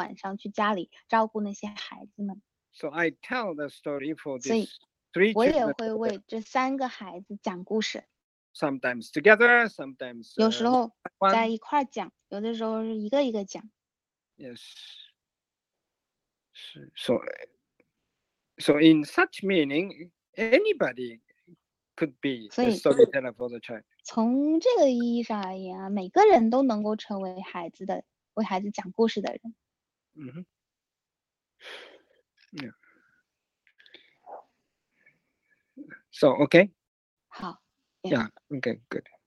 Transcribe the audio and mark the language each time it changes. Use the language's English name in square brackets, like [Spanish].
[Chinese] 在这个家庭呢，他们有两个晚上是父亲母亲没办法在家的，所以我就需要去在这两个晚上去家里照顾那些孩子们。 [English] So I tell the story for this. [Chinese] 所以，我也会为这三个孩子讲故事。 [English] Sometimes together, sometimes. [Chinese] 有时候在一块讲，有的时候是一个一个讲。 [English] Yes. So in such meaning, anybody could be the storyteller for the child. [Chinese] 从这个意义上而言啊，每个人都能够成为孩子的，为孩子讲故事的人。 Mm-hmm. [English] Yeah. So, okay. [Chinese] 好。 [English] Yeah, okay, good.